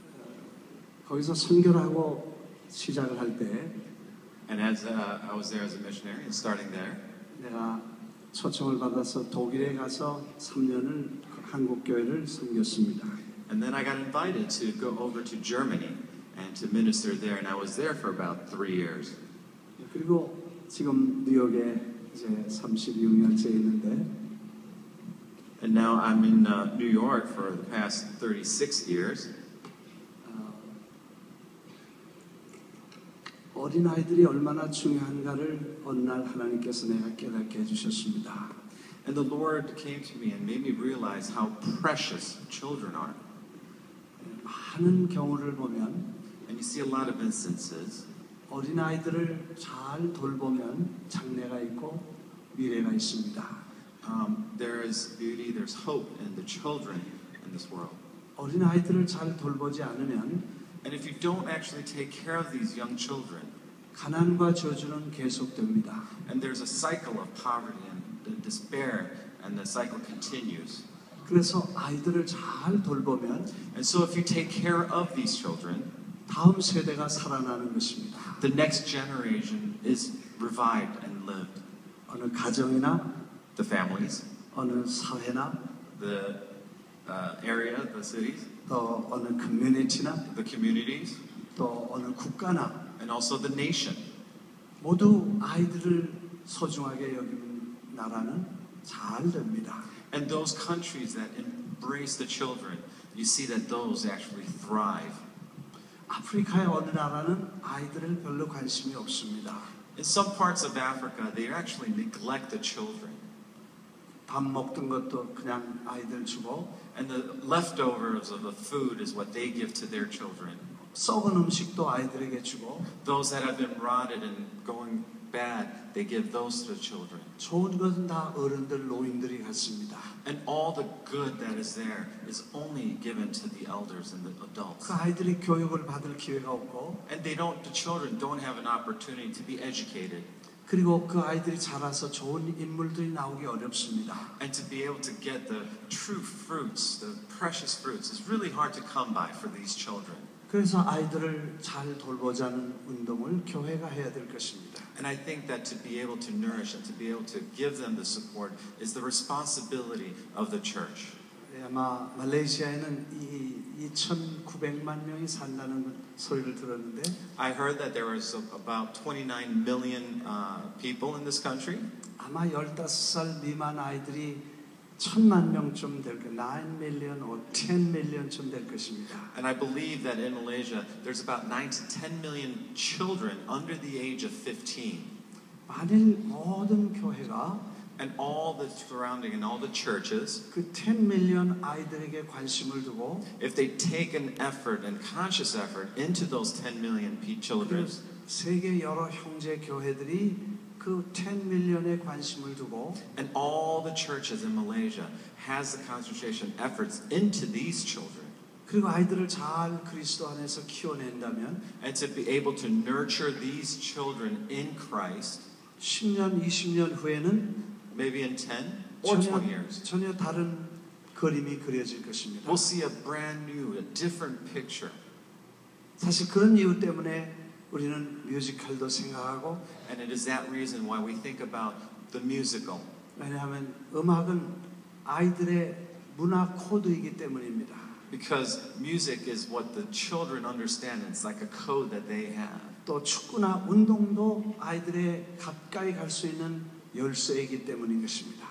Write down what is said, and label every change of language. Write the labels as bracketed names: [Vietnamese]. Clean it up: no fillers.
[Korean] 거기서 선교를 하고 시작을 할 때 [English] And as I was there as a missionary and starting there [Korean] 내가 초청을 받아서 독일에 가서 3년을 한국 교회를 섬겼습니다. [English] And then I got invited to go over to Germany and to minister there and I was there for about 3 years. [Korean] 그리고 지금 뉴욕에 이제 36년째 있는데 [English] And now I'm in New York for the past 36 years. [Korean] 어린 아이들이 얼마나 중요한가를 어느 날 하나님께서 내가 깨닫게 해주셨습니다. [English] And the Lord came to me and made me realize how precious children are. [Korean] 많은 경우를 보면 [English] And you see a lot of instances. [Korean] 어린 아이들을 잘 돌보면 장래가 있고 미래가 있습니다. [English] There is beauty, there's hope in the children in this world. [Korean] 어린 아이들을 잘 돌보지 않으면 [English] And if you don't actually take care of these young children, [Korean] 가난과 저주는 계속됩니다. [English] And there's a cycle of poverty and the despair, and the cycle continues. [Korean] 그래서 아이들을 잘 돌보면, [English] And so if you take care of these children, [Korean] 다음 세대가 살아나는 것입니다. [English] The next generation is revived and lived. [Korean] 어느 가정이나, [English] The families, [Korean] 어느 사회나, [English] The area, the cities, [Korean] 또 어느 커뮤니티나 [English] the communities [Korean] 또 어느 국가나 [English] and also the nation [Korean] 모두 아이들을 소중하게 여기는 나라는 잘 됩니다. [English] And those countries that embrace the children, you see that those actually thrive. [Korean] 아프리카의 어느 나라는 아이들을 별로 관심이 없습니다. [English] In some parts of Africa, they actually neglect the children. [Korean] 밥 먹던 것도 그냥 아이들 주고 [English] And the leftovers of the food is what they give to their children. [Korean] 썩은 음식도 아이들에게 주고 [English] Those that have been rotted and going bad, they give those to the children. [Korean] 좋은 것은 다 어른들, 노인들이 갖습니다. [English] And all the good that is there is only given to the elders and the adults. [Korean] 그 아이들이 교육을 받을 기회가 없고 [English] And they don't, the children don't have an opportunity to be educated. [Korean] 그리고 그 아이들이 자라서 좋은 인물들이 나오기 어렵습니다. [English] And to be able to get the true fruits, the precious fruits, is really hard to come by for these children. [Korean] 그래서 아이들을 잘 돌보자는 운동을 교회가 해야 될 것입니다. [English] And I think that to be able to nourish and to be able to give them the support is the responsibility of the church. [Korean] 아마 말레이시아에는 이 1,900만 명이 산다는 소리를 들었는데. [English] I heard that there was about 29 million people in this country. [Korean] 아마 15살 미만 아이들이 1,000만 명쯤 될 거, [English] 9 million or 10 million [Korean] 쯤 될 것입니다. [English] And I believe that in Malaysia, there's about 9 to 10 million children under the age of 15. [Korean] 만일 모든 교회가 [English] and all the surrounding and all the churches [Korean] 그 10 million 아이들에게 관심을 두고 [English] if they take an effort and conscious effort into those 10 million children [Korean] 세계 여러 형제 교회들이 그 10 million에 관심을 두고 [English] and all the churches in Malaysia has the concentration efforts into these children [Korean] 그리고 아이들을 잘 그리스도 안에서 키워낸다면 [English] and to be able to nurture these children in Christ [Korean] 10년, 20년 후에는 [English] Maybe in 10 or 20 years. [Korean] 전혀 다른 그림이 그려질 것입니다. [English] We'll see a brand new, a different picture. [Korean] 사실 그런 이유 때문에 우리는 뮤지컬도 생각하고 [English] And it is that reason why we think about the musical. [Korean] 왜냐하면 음악은 아이들의 문화 코드이기 때문입니다. [English] Because music is what the children understand. It's like a code that they have. [Korean] 또 축구나 운동도 아이들의 가까이 갈 수 있는 열쇠이기 때문인 것입니다.